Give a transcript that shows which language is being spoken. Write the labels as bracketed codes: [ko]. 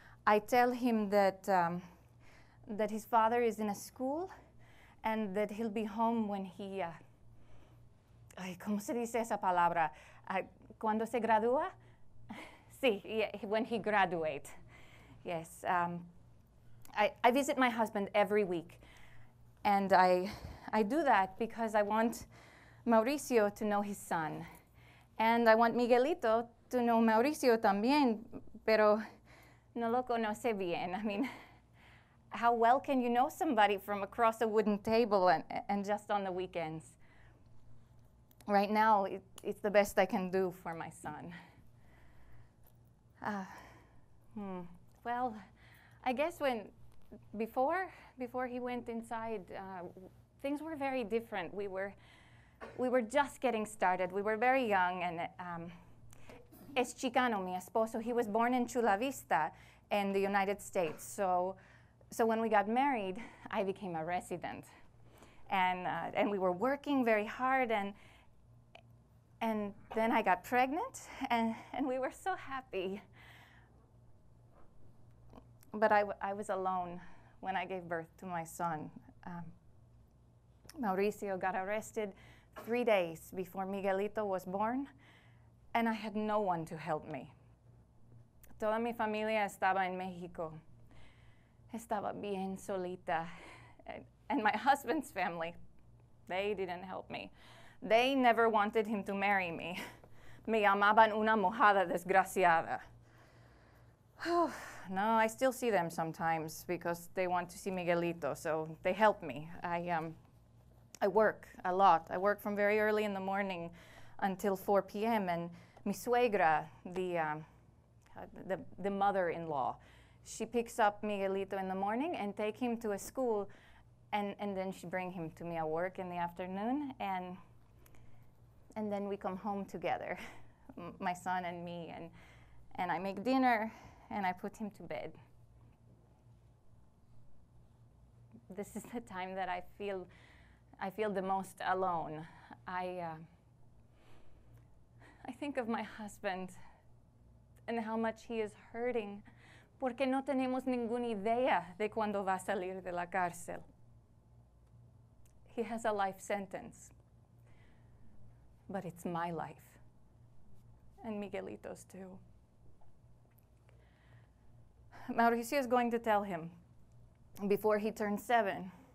[en] I tell him that his father is in a school and that he'll be home when he, [es] ¿cómo se dice esa palabra? ¿Cuándo se gradúa? Sí, [en] when he graduate. Yes, I visit my husband every week. And I do that because I want Mauricio to know his son. And I want Miguelito to know Mauricio [es] también, pero no lo conoce bien. [en] I mean, how well can you know somebody from across a wooden table and just on the weekends? Right now, it's the best I can do for my son. Well, I guess before he went inside, things were very different. We were just getting started. We were very young, and [es] es Chicano, mi esposo. [en] He was born in Chula Vista in the United States. So when we got married, I became a resident. And we were working very hard, and then I got pregnant, and we were so happy. But I was alone when I gave birth to my son. Mauricio got arrested 3 days before Miguelito was born, and I had no one to help me. [es] Toda mi familia estaba en México. Estaba bien solita. [en] And my husband's family, they didn't help me. They never wanted him to marry me. [es] Me llamaban una mojada desgraciada. [en] No, I still see them sometimes because they want to see Miguelito, so they help me. I work a lot. I work from very early in the morning until 4 p.m. And [es] mi suegra, [en] the mother-in-law, she picks up Miguelito in the morning and take him to a school, and then she bring him to me at work in the afternoon, and then we come home together, my son and me, and I make dinner. And I put him to bed. This is the time that I feel the most alone. I think of my husband and how much he is hurting. [es] Porque no tenemos ninguna idea de cuándo va a salir de la cárcel. [en] He has a life sentence, but it's my life and Miguelito's too. Mauricio is going to tell him before he turns 7.